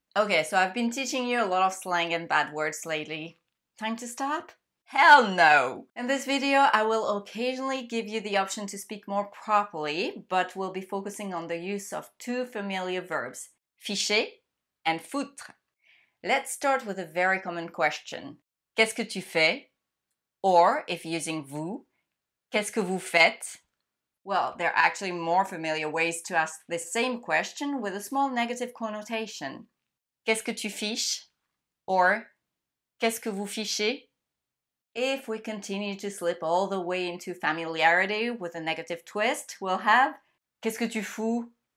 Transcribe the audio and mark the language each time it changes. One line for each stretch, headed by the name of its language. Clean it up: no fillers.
English: Okay, so I've been teaching you a lot of slang and bad words lately. Time to stop? Hell no! In this video, I will occasionally give you the option to speak more properly, but we'll be focusing on the use of two familiar verbs, ficher and foutre. Let's start with a very common question.
French: Qu'est-ce que tu fais?
English: Or, if using
French: vous, qu'est-ce que vous faites?
English: Well, there are actually more familiar ways to ask the same question with a small negative connotation.
French: Qu'est-ce que tu fiches? Or, qu'est-ce que vous fichez?
English: If we continue to slip all the way into familiarity with a negative twist, we'll have
French: qu'est-ce que tu fous?